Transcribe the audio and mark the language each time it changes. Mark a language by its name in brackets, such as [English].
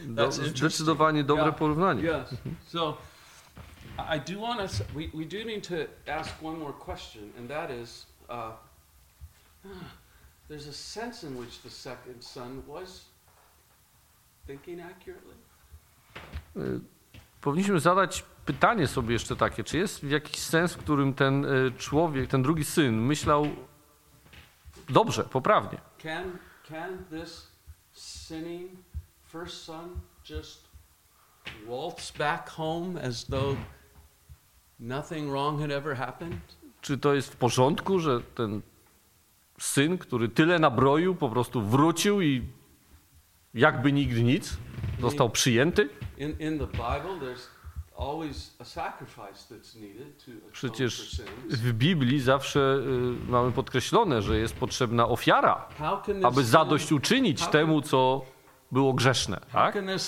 [Polish] zdecydowanie dobre porównanie. [English] I do want to. We do need to ask one more question, and that is, there's a sense in which the second son was thinking accurately. [Polish] Powinniśmy zadać pytanie sobie jeszcze takie, czy jest w jakiś sens, w którym ten człowiek, ten drugi syn myślał dobrze, poprawnie. [English] Can this sinning first son just waltz back home as though nothing wrong had ever happened? [Polish] Czy to jest w porządku, że ten syn, który tyle nabroił, po prostu wrócił i jakby nigdy nic, został przyjęty? [English] In the Bible there's always a sacrifice that's needed to atone for sins. [Polish] Przecież w Biblii zawsze mamy podkreślone, że jest potrzebna ofiara, aby zadośćuczynić temu, co było grzeszne. Tak?